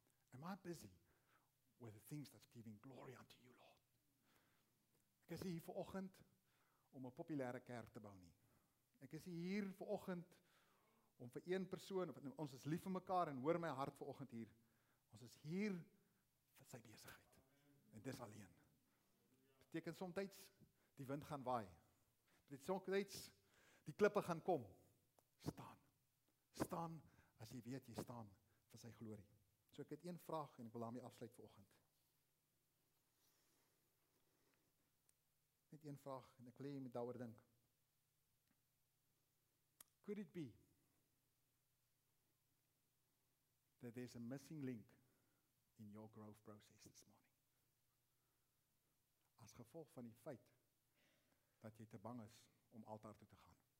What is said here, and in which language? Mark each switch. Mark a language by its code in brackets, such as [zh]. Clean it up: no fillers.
[en] Am I busy with the things that's giving glory unto you, Lord? [af] Ek is hier vanoggend om 'n populêre kerk te bou nie. Ek is hier vanoggend om vir een persoon, ons is lief vir mekaar en hoor my hart vanoggend hier. Ons is hier vir sy besigheid. En dis alleen. Beteken soms die wind gaan waai. Dit soms die klippe gaan kom. Staan. Staan as jy weet jy staan vir sy glorie. So ek het een vraag en ek wil daarmee afsluit vanoggend. Net een vraag en ek wil jy met daaroor dink. [en] Could it be that there's a missing link in your growth process this morning? [af] As gevolg van die feit dat jy te bang is om altaar toe te gaan.